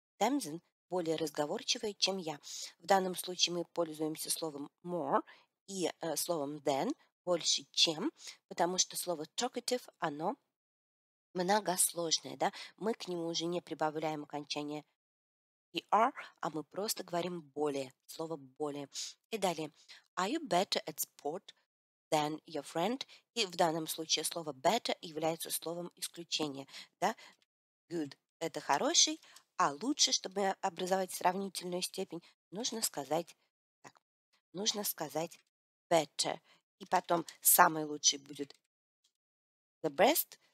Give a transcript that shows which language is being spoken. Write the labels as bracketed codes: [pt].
[ru] Тамзин более разговорчивая, чем я. В данном случае мы пользуемся словом more и словом than, больше, чем, потому что слово talkative, оно многосложное. Да? Мы к нему уже не прибавляем окончание er, а мы просто говорим более, слово более. И далее. [en] Are you better at sport than your friend? [ru] И в данном случае слово better является словом исключения. Да? Good – это хороший. А лучше, чтобы образовать сравнительную степень, нужно сказать так. Нужно сказать better. И потом самый лучший будет the best.